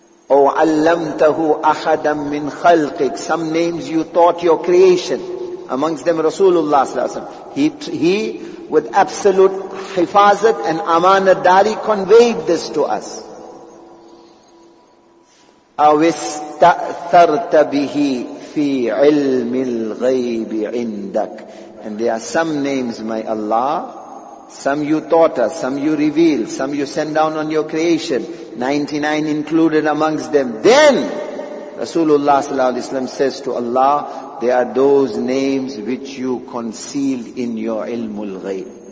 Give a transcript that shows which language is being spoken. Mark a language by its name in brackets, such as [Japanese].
[Arabic] أَوْعَلَّمْتَهُ أَحَدًا مِّنْ خَلْقِكَ, [English] some names you taught your creation, amongst them Rasulullah sallallahu alaihi wasallam. He with absolute hifazat and amanadari conveyed this to us. [Arabic] أَوِسْتَأْثَرْتَ بِهِ في علم الغيب عندك. [English] And there are some names, my Allah, some you taught us, some you revealed, some you sent down on your creation, 99 included amongst them. Then Rasulullah sallallahu alaihi wasallam says to Allah, there are those names which you concealed in your ilm al-ghayb.